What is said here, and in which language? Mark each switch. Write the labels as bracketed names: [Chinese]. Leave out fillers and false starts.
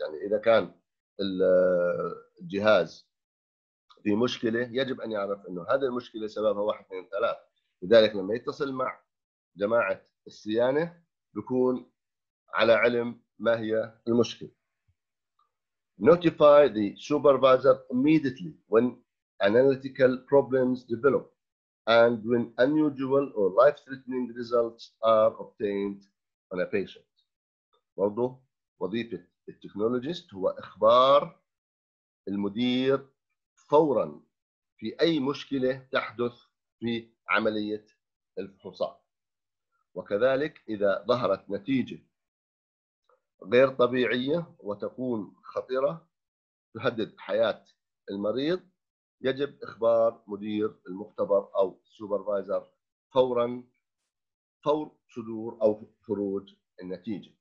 [Arabic] يعني إذا كان الجهاز في مشكلة يجب أن يعرف أنه هذا المشكلة سببها 1-2-3. لذلك لما يتصل مع جماعة الصيانة بيكون على علم ما هي المشكلة. [English] Notify the supervisor immediately when analytical problems develop and when unusual or life-threatening results are obtained on a patient. [Arabic] برضو وظيفة التكنولوجيست هو إخبار المدير فوراً في أي مشكلة تحدث في عملية الفحوصات. وكذلك إذا ظهرت نتيجة غير طبيعية وتكون خطيرة تهدد حياة المريض يجب إخبار مدير المختبر أو سوبرفايزر فوراً فور صدور أو خروج النتيجة.